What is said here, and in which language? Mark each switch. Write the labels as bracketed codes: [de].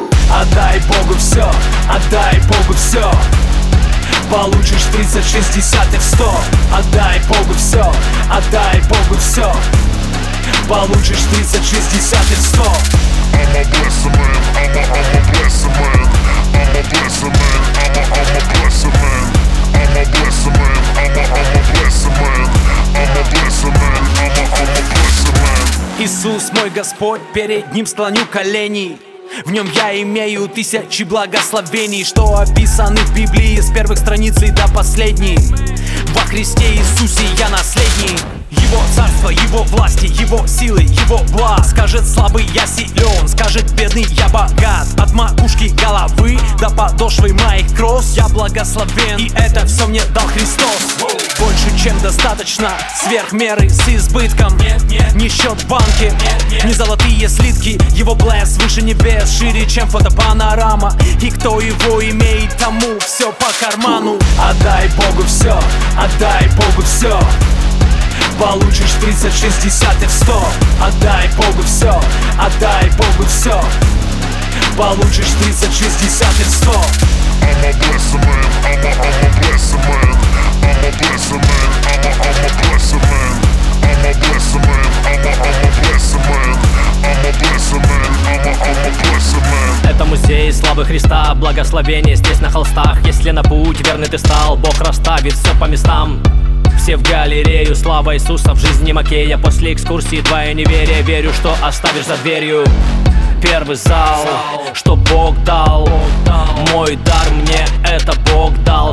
[ru] отдай Богу все, отдай Богу все. Получишь 30-60 в 100. Отдай Богу все, отдай Богу все. Получишь 30-60 в 100. [en] I'm a blessed man, I'm a blessed man. I'm a blessed man, I'm a blessed man. I'm a blessed man, I'm a blessed man. I'm a blessed man, I'm a blessed man. [ru] Иисус мой Господь, перед Ним склоню колени. В нем я имею тысячи благословений, что описаны в Библии с первых страниц и до последней. Во Христе Иисусе я наследник. Его царство, Его власти, Его силы, Его благ. Скажет слабый, я силен, скажет бедный, я богат. От макушки головы до подошвы моих кросс я благословен, и это все мне дал Христос. Больше чем достаточно, сверх меры с избытком. Ни счет в банке, ни золотые слитки. Его блесс выше небес, шире чем фотопанорама. И кто его имеет, тому все по карману. Отдай Богу все, отдай Богу все. Получишь 30-60 в 100. Отдай Богу все, отдай Богу все. Получишь 30-60 в 100. [en] I'm a blessed man, I'm a blessed man. I'm a blessed man, I'm a blessed man. I'm a blessed man, I'm a blessed man. I'm a blessed man, I'm a blessed man. [ru] Это музей славы Христа, благословение здесь на холстах. Если на путь верный ты стал, Бог расставит все по местам. Все в галерею, слава Иисуса в жизни Макея. После экскурсии твое неверие, верю, что оставишь за дверью. Первый зал, что Бог дал. Мой дар мне, это Бог дал.